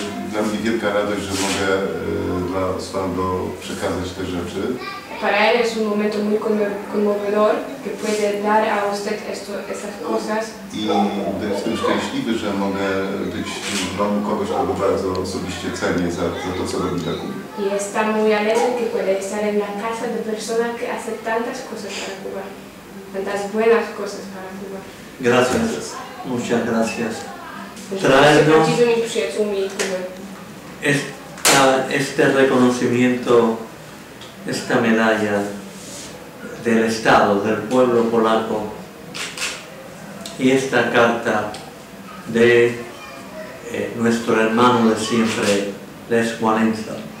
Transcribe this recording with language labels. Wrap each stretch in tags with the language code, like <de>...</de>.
<pl>Dla mnie wielka radość, że mogę dla Osvaldo przekazać te rzeczy.</pl> <es>Para él es un momento muy conmovedor que puede dar a usted estas cosas.</es> <pl>I jestem szczęśliwy, że mogę być w domu kogoś, kogo bardzo osobiście cenię za to, co robi dla Kuby.</pl> <es>Y está muy alegre que puede estar en la casa de persona que hace tantas cosas para Cuba. Tantas buenas cosas para Cuba. Gracias. Muchas gracias. Traernos este reconocimiento, esta medalla del Estado, del pueblo polaco y esta carta de nuestro hermano de siempre, Lech Wałęsa.</es>